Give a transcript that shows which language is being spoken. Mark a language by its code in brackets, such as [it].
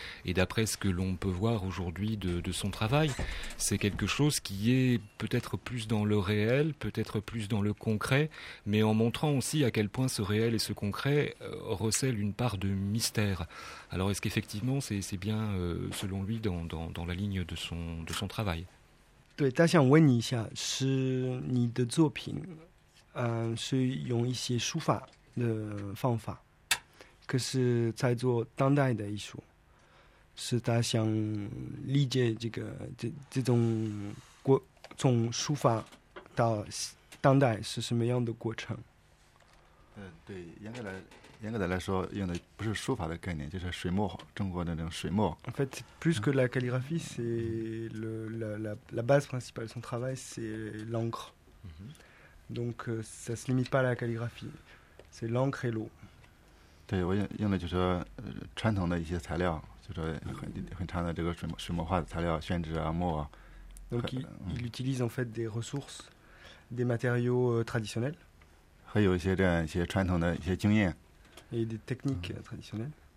[fr] Et d'après ce que l'on peut voir aujourd'hui de son travail, c'est quelque chose qui est peut-être plus dans le réel, peut-être plus dans le concret, mais en montrant aussi à quel point ce réel et ce concret recèlent une part de mystère. Alors est-ce qu'effectivement c'est bien, selon lui, dans la ligne de son... de son travail. [zh] 对, 但想问你一下, 是你的作品, 是用一些书法的方法, 可是在做当代的艺术, 是他想理解这个, 这种过, 从书法到当代, 是什么样的过程? 对, 严格来, 严格的来说, 用的不是书法的概念, 就是水墨, 中国的那种水墨。 [fr] En fait, plus que la calligraphie, c'est la base principale de son travail, c'est l'encre. Donc, ça ne se limite pas à la calligraphie, c'est l'encre et l'eau. [zh] 对, 我用的就是, 传统的一些材料, 就是很长的这个水墨画的材料, 宣纸啊, 墨, [fr] Donc, il utilise en fait des ressources, des matériaux traditionnels. [zh] 还有一些传统的一些经验。 [fr] Et des techniques traditionnelles.